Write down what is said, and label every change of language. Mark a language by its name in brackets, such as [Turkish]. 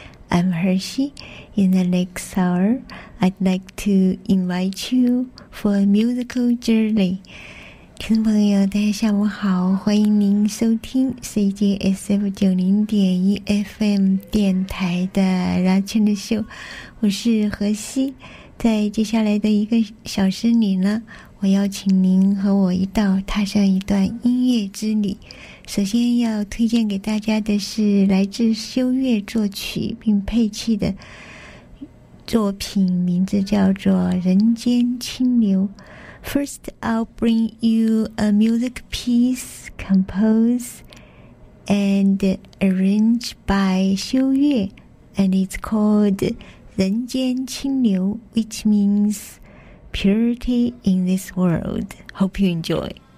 [English] I'm Hershey. In the next hour, I'd like to invite you for a musical journey. [Chinese] 听众朋友，大家下午好，欢迎您收听 CJSF 90.1 FM 电台的 Rachel 秀，我是何西。在接下来的一个小时里呢，我邀请您和我一道踏上一段音乐之旅。首先要推荐给大家的是来自修月作曲并配器的作品，名字叫做《人间清流》。 [English] First, I'll bring you a music piece composed and arranged by Xiu Yue, and it's called 人间清流, which means purity in this world. Hope you enjoy.